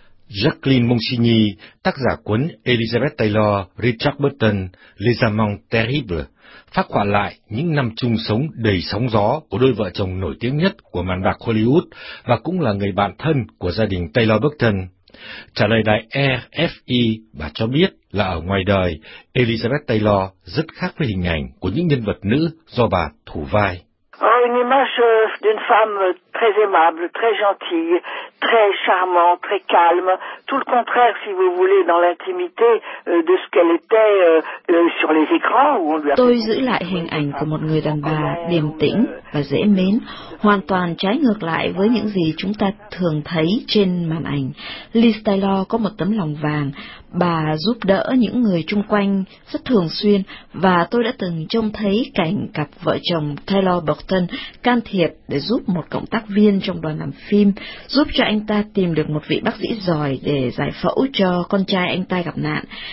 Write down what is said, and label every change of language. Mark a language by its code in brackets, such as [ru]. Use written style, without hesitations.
[vi] Jacqueline Monsigny, tác giả cuốn Elizabeth Taylor, Richard Burton, Les Amants Terribles, phác họa lại những năm chung sống đầy sóng gió của đôi vợ chồng nổi tiếng nhất của màn bạc Hollywood và cũng là người bạn thân của gia đình Taylor Burton. Trả lời đài RFI, bà cho biết là ở ngoài đời, Elizabeth Taylor rất khác với hình ảnh của những nhân vật nữ do bà thủ vai. [fr] Une image d'une femme très aimable, très gentille, très charmante, très calme. Tout le contraire, si vous voulez, dans l'intimité de ce qu'elle était sur les écrans. [vi] Tôi giữ lại hình ảnh của một người đàn bà điềm tĩnh và dễ mến, hoàn toàn trái ngược lại với những gì chúng ta thường thấy trên màn ảnh. Liz Taylor có một tấm lòng vàng, bà giúp đỡ những người chung quanh rất thường xuyên, và tôi đã từng trông thấy cảnh cặp vợ chồng Taylor Burton can thiệp để giúp một cộng tác viên trong đoàn làm phim, giúp cho anh ta tìm được một vị bác sĩ giỏi để giải phẫu cho con trai anh ta gặp nạn.